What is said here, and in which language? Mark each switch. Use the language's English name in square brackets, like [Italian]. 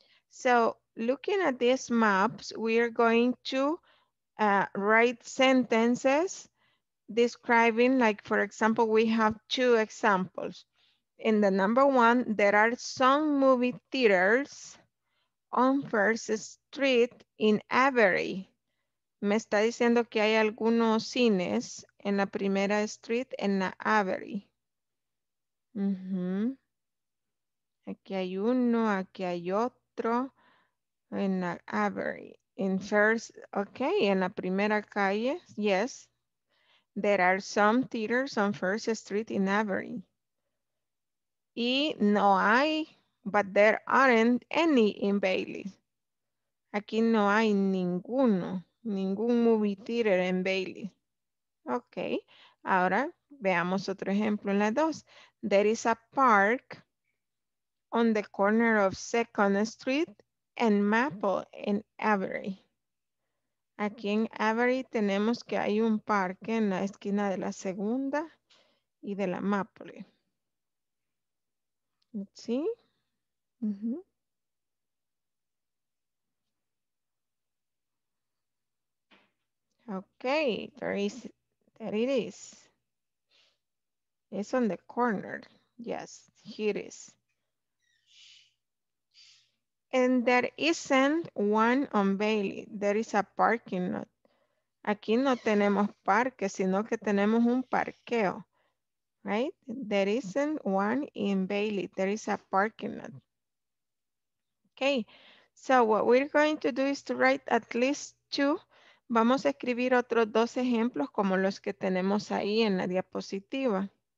[English] So looking at these maps, we are going to write sentences describing, like for example, we have two examples. In the number one, there are some movie theaters on First Street in Avery. [Spanish] Me está diciendo que hay algunos cines en la primera street en la Avery. Uh-huh. Aquí hay uno, aquí hay otro. [English] In the Avery. In first, okay, [Spanish] en la primera calle, [English] yes. There are some theaters on First Street in Avery. [Spanish] Y no hay, [English] but there aren't any in Bailey. [Spanish] Aquí no hay ninguno, ningún movie theater en Bailey. Okay, ahora veamos otro ejemplo en la dos. [English] There is a park on the corner of Second Street and Maple in Avery. [Spanish] Aquí en Avery tenemos que hay un parque en la esquina de la segunda y de la Maple. [English] Let's see. Mm-hmm. Okay, there it is. It's on the corner. Yes, here it is. And there isn't one on Bailey. There is a parking lot. [Spanish] Aquí no tenemos parque, sino que tenemos un parqueo. [English] Right? There isn't one in Bailey. There is a parking lot. Okay. So what we're going to do is to write at least two. [Spanish] Vamos a escribir otros dos ejemplos como los que tenemos ahí en la diapositiva.